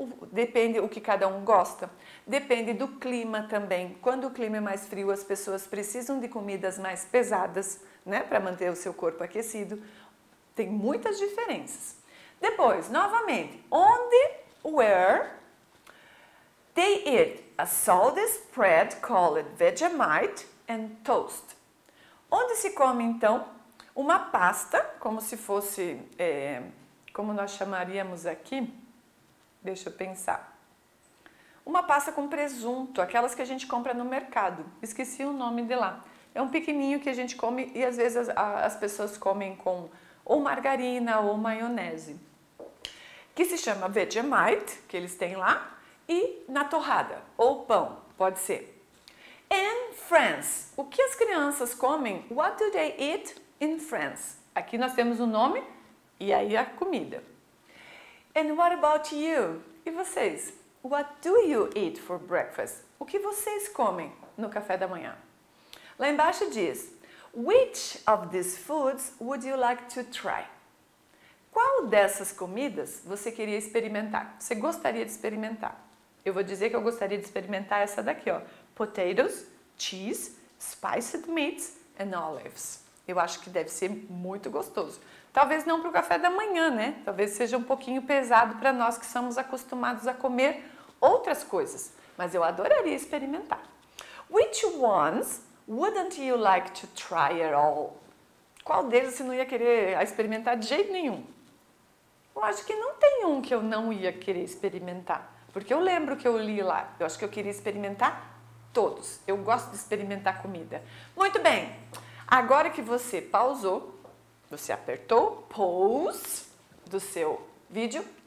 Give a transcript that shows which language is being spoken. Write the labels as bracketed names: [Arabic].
[Portuguese] Depende o que cada um gosta. Depende do clima também. Quando o clima é mais frio, as pessoas precisam de comidas mais pesadas, né, para manter o seu corpo aquecido. Tem muitas diferenças. Depois, novamente, [English] where they eat a salted spread called Vegemite and toast. [Portuguese] Onde se come então uma pasta, como se fosse, como nós chamaríamos aqui? Deixa eu pensar. Uma pasta com presunto, aquelas que a gente compra no mercado. Esqueci o nome de lá. É um pequenininho que a gente come e às vezes as pessoas comem com ou margarina ou maionese, que se chama Vegemite, que eles têm lá. E na torrada, ou pão, pode ser. [English] In France, [Portuguese] o que as crianças comem? [English] What do they eat in France? [Portuguese] Aqui nós temos o nome e aí a comida. [English] And what about you? [Portuguese] E vocês? [English] What do you eat for breakfast? [Portuguese] O que vocês comem no café da manhã? Lá embaixo diz: [English] Which of these foods would you like to try? [Portuguese] Qual dessas comidas você queria experimentar? Você gostaria de experimentar? Eu vou dizer que eu gostaria de experimentar essa daqui, ó. [English] Potatoes, cheese, spiced meats and olives. [Portuguese] Eu acho que deve ser muito gostoso. Talvez não para o café da manhã, né? Talvez seja um pouquinho pesado para nós que somos acostumados a comer outras coisas. Mas eu adoraria experimentar. [English] Which ones wouldn't you like to try at all? [Portuguese] Qual deles você não ia querer experimentar de jeito nenhum? Eu acho que não tem um que eu não ia querer experimentar. Porque eu lembro que eu li lá. Eu acho que eu queria experimentar todos. Eu gosto de experimentar comida. Muito bem. Agora que você pausou, você apertou pause do seu vídeo.